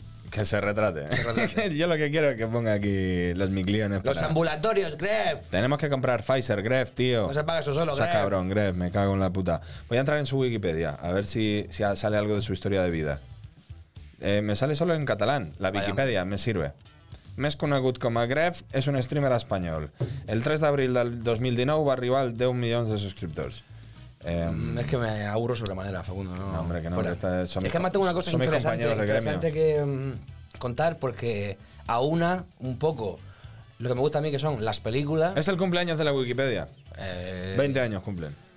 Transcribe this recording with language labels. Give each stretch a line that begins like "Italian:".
Spanish: Que se retrate. Se retrate. Yo lo que quiero es que ponga aquí los micliones. ¡Los ambulatorios, Gref! Tenemos que comprar Pfizer, Gref, tío. No se paga eso solo, o sea, Gref. Cabrón, Gref, me cago en la puta. Voy a entrar en su Wikipedia, a ver si sale algo de su historia de vida. Me sale solo en catalán. La Wikipedia, vaya. Me sirve.
Catalan: Més conegut com a Gref, és un streamer espanyol. El 3 d'abril del 2019 va arribar als 10 milions de subscriptors.
Spanish: Es que me aburro sobremanera, Facundo. No, hombre, que no. Es que además tengo una cosa interesante que contar, porque aúna un poco lo que me gusta a mí, que son las películas. Es el cumpleaños de la Wikipedia. 20 años cumplen.